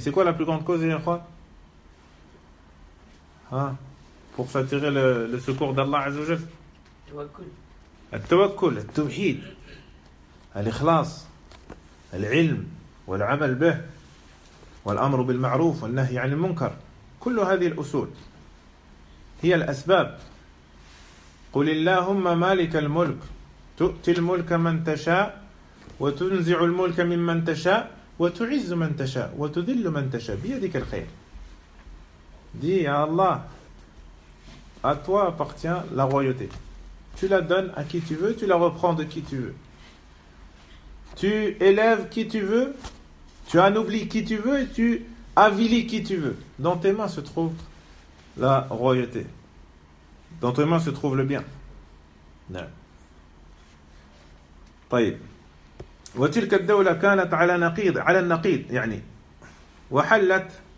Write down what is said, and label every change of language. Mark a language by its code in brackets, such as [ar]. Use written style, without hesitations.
[fr] C'est quoi la plus grande cause, je crois? Pour s'attirer le secours d'Allah Azza wa Jalla. [ar] التوكل التوحيد الإخلاص العلم والعمل به والأمر بالمعروف والنهي عن المنكر كل هذه الأصول هي الأسباب. قل اللهم مالك الملك تؤتي الملك من تشاء وتنزع الملك ممن تشاء وتعز من تشاء وتذل من تشاء بيدك الخير. دي يا الله [fr] à toi appartient la royauté. Tu la donnes à qui tu veux, tu la reprends de qui tu veux. Tu élèves qui tu veux, tu anoblis qui tu veux et tu avilis qui tu veux. Dans tes mains se trouve la royauté. Dans tes mains se trouve le bien. [ar] طيب. وتلك الدولة كانت على نقيض على النقيض يعني وحلت.